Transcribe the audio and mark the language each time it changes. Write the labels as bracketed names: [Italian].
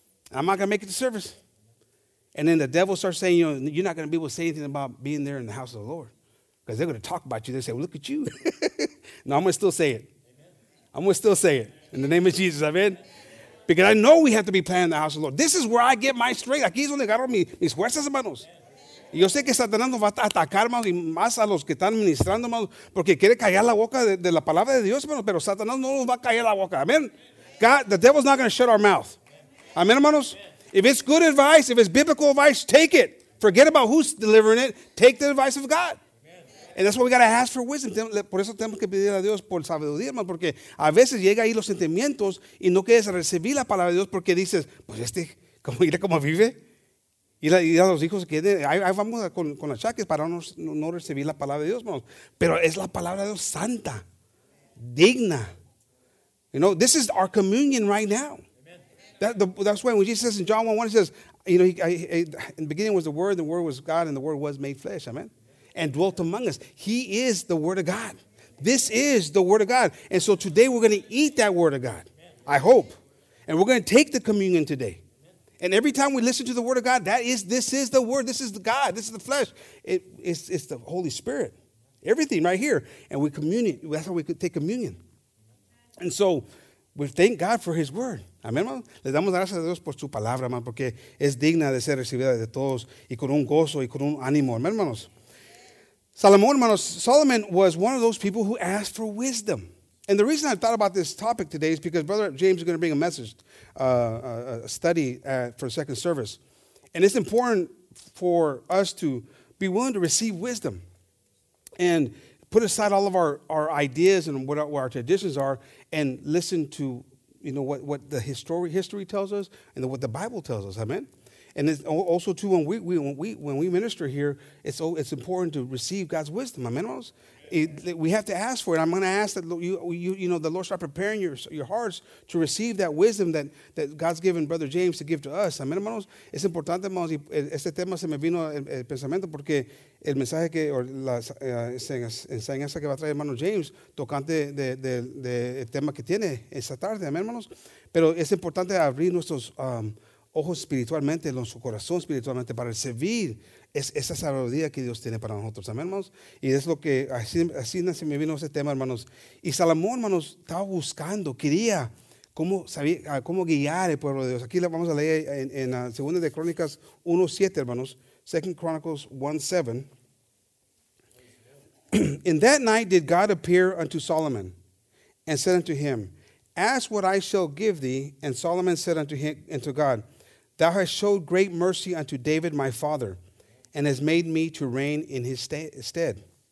[English] I'm not going to make it to service. And then the devil starts saying, you know, you're not going to be able to say anything about being there in the house of the Lord. Because they're going to talk about you. They say, well, look at you. No, I'm going to still say it. Amen. I'm going to still say it. In the name of Jesus, amen? Because I know we have to be planning the house of the Lord. This is where I get my strength. [Spanish] Aquí es donde agarro mis fuerzas, hermanos. Y yo sé que Satanás nos va a atacar, hermanos, y más a los que están ministrando, hermanos, porque quiere callar la boca de la palabra de Dios, hermanos, pero Satanás no nos va a callar la boca, amen? [English] God, the devil's not going to shut our mouth. Amen, hermanos? If it's good advice, if it's biblical advice, take it. Forget about who's delivering it. Take the advice of God. And that's why we got to ask for wisdom. [Spanish] Por eso tenemos que pedir a Dios por sabiduría, hermano, porque a veces llega ahí los sentimientos y no quieres recibir la palabra de Dios porque dices, pues este, mira cómo vive. Y a los hijos que tienen, ahí vamos con la chaqueta para no recibir la palabra de Dios, hermanos. Pero es la palabra de Dios santa, digna. [English] You know, this is our communion right now. That's why when Jesus says in John 1:1, he says, you know, in the beginning was the Word was God, and the Word was made flesh, amen, and dwelt among us. He is the Word of God. This is the Word of God. And so today we're going to eat that Word of God, I hope. And we're going to take the communion today. And every time we listen to the Word of God, this is the Word. This is the God. This is the flesh. It's the Holy Spirit. Everything right here. And we communion. That's how we could take communion. And so we thank God for His Word. Amén, hermano. [Spanish] Les damos gracias a Dios por su palabra, hermano, porque es digna de ser recibida de todos y con un gozo y con un ánimo. Amén, hermanos. [English] Solomon was one of those people who asked for wisdom. And the reason I thought about this topic today is because Brother James is going to bring a message, a study for second service. And it's important for us to be willing to receive wisdom and put aside all of our ideas and what our traditions are and listen to, you know, what the history tells us and what the Bible tells us. Amen. And it's also too, when we minister here, it's important to receive God's wisdom. Amen. We have to ask for it. I'm going to ask that you know the Lord start preparing your hearts to receive that wisdom that God's given Brother James to give to us. [Spanish] Amen, hermanos. Es importante, hermanos. Este tema se me vino el pensamiento porque el mensaje que o la enseñanza que va a traer hermano James tocante de el tema que tiene esta tarde. Amen, hermanos. Pero es importante abrir nuestros ojos espiritualmente, nuestro corazón espiritualmente para recibir esa sabiduría que Dios tiene para nosotros. Amén, hermanos. Y es lo que así me vino ese tema, hermanos. Y Salomón, hermanos, estaba buscando, quería cómo guiar el pueblo de Dios. Aquí lo vamos a leer en Segunda de Crónicas 1:7, hermanos. [English] Second Chronicles 1:7. In that night did God appear unto Solomon and said unto him, ask what I shall give thee. And Solomon said unto God, thou hast showed great mercy unto David my father, and has made me to reign in his stead.